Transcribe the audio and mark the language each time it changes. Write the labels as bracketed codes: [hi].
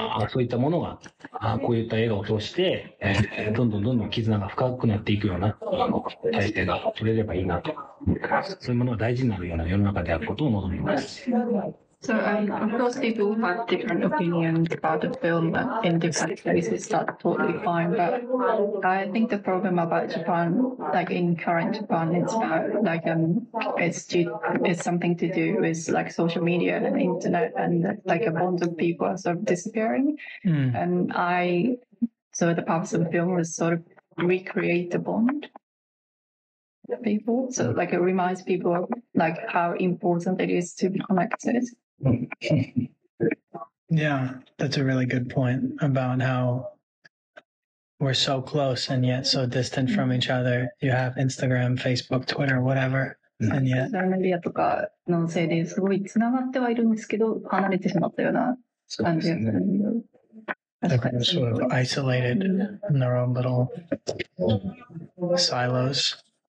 [ja] そういったものが、こういった映画を通して、どんどんどんどん絆が深くなっていくような体制が取れればいいなと、そういうものが大事になるような世の中であることを望みます。 [en] So, of course, people have different opinions about the film in different places. That's totally fine. But I think the problem about Japan, like in current Japan, it's about like it's something to do with like social media and internet, and like a bunch of people are sort of disappearing. And so the purpose of the film was sort of recreate the bond. People, so like it reminds people of, like how important it is to be connected. Yeah, that's a really good point about how we're so close and yet so distant from each other. You have Instagram, Facebook, Twitter, whatever, and yet. [ja] ソーシャルメディアとかのせいですごいつながってはいるんですけど離れてしまったような感じ。 [en] They're sort of isolated in their own little silos.